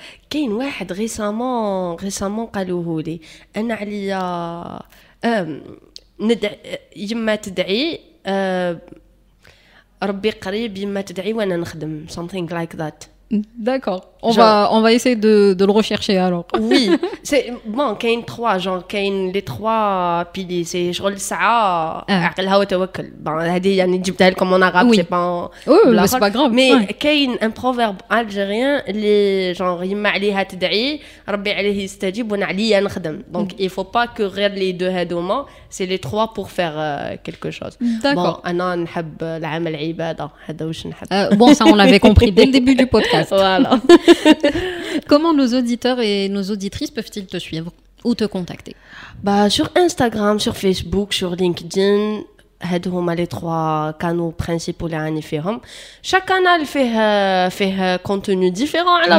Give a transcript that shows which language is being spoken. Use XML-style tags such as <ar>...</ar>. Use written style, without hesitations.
<ar>كاين واحد ريسامون قالوه لي انا عليا ندعي يما تدعي ربي قريب يما تدعي وانا نخدم</ar> <en>something like that.</en> <fr>D'accord. On va essayer de le rechercher alors. Oui, c'est bon, كاين 3 genre كاين les 3 piliers, c'est</fr> <ar>شغل الساعه عقلها وتوكل. Bon, هذه يعني جبتها لكم</ar> <fr>en arabe, c'est pas mais c'est pas grave.</fr> <ar>Mais كاين</ar> <fr>un proverbe algérien les genre</fr> <ar>يما عليها تدعي ربي عليه يستجيب وانا عليا نخدم.</ar> <fr>Donc il faut pas que غير les 2 هذوما, c'est les 3 pour faire quelque chose. D'accord.</fr> <ar>Bon, انا نحب العمل عباده, هذا واش نحب.</ar> <fr>Bon, ça on l'avait compris dès le début du podcast. Voilà. Comment nos auditeurs et nos auditrices peuvent-ils te suivre ou te contacter? Bah, sur Instagram, sur Facebook, sur LinkedIn, les 3 canaux principaux. Chaque canal fait contenu différent.</fr>